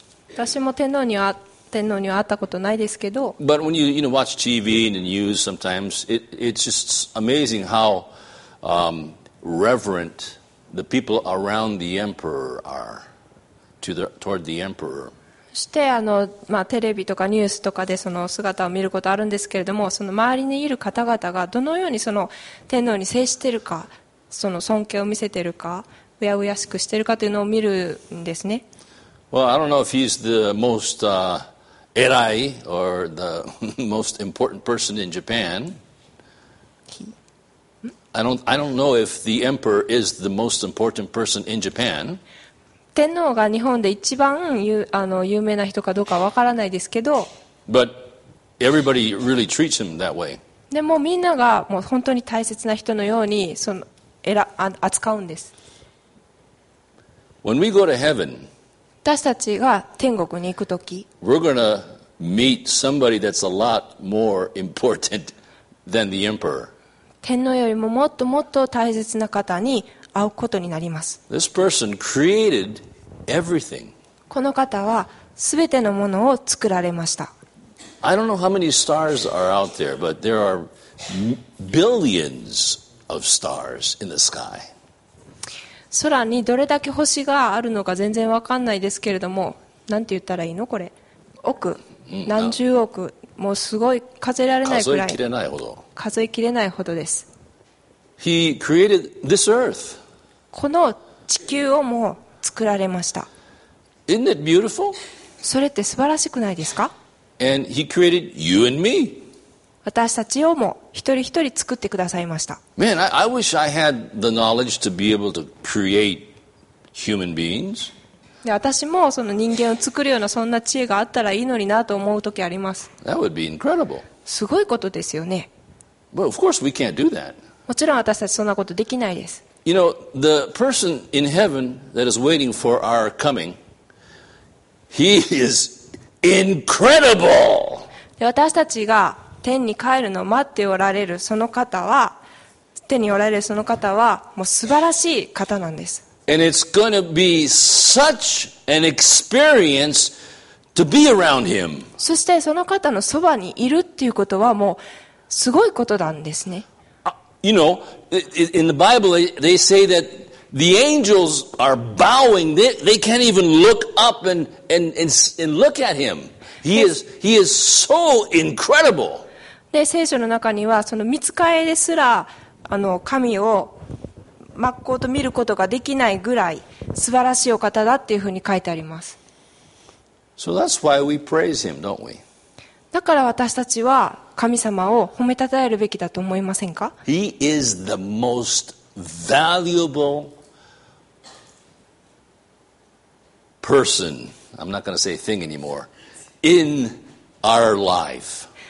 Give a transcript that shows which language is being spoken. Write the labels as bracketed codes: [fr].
[ja] 私も天皇には会ったことないですけど。 [en] But when you know watch TV and the news sometimes, it's just amazing how reverent the people around the emperor are toward the emperor. [ja] してまあ、テレビとかニュースとかでその姿を見ることあるんですけれども、その周りにいる方々がどのようにその天皇に接しているか、その尊敬を見せているか、うやうやしくしているかというのを見るんですね。 [en] Well, I don't know if he's the most 偉い or the most important person in Japan. I don't know if the emperor is the most important person in Japan. [ja] 天皇が日本で一番有名な人かどうかわからないですけど、 [en] But everybody really treats him that way. [ja] でもみんながもう本当に大切な人のように扱うんです。 [en] When we go to heaven, [ja] 私たちが天国に行くとき、 [en] we're gonna meet somebody that's a lot more important than the emperor. [ja] 天皇よりももっともっと大切な方に会うことになります。 [en] This person created everything. [ja] この方はすべてのものを作られました。 [en] I don't know how many stars are out there, but there are billions of stars in the sky. [ja] 空にどれだけ星があるのか全然わかんないですけれども、なんて言ったらいいのこれ？億、何十億、もうすごい数えられないくらい。数えきれないほど。数えきれないほどです。 [en] He created this earth. [ja] この地球をも作られました。 [en] Isn't it beautiful? [ja] それって素晴らしくないですか? [en] And he created you and me. [ja] 私たちをも一人一人作ってくださいました。 [en] Man, I wish I had the knowledge to be able to create human beings. [ja] で、私もその人間を作るようなそんな知恵があったらいいのになと思う時あります。 [en] That would be incredible. [ja] すごいことですよね。 [en] But of course we can't do that. [ja] もちろん私たちそんなことできないです。 [en] You know, the person in heaven that is waiting for our coming, he is incredible! [ja] 私たちが天に帰るのを待っておられるその方は、天におられるその方は、もう素晴らしい方なんです。 [en] And it's gonna be such an experience to be around him. [ja] そしてその方のそばにいるっていうことはもうすごいことなんですね。 [en] You know, in the Bible, they say that the angels are bowing. They can't even look up and look at him. He is so incredible. [ja] で、聖書の中にはその御使いですら神を真っ向と見ることができないぐらい素晴らしいお方だっていうふうに書いてあります。 [en] So that's why we praise him, don't we? [ja] だから私たちは神様を褒めたたえるべきだと思いませんか? [en] He is the most valuable person. I'm not going to say thing anymore. In our life.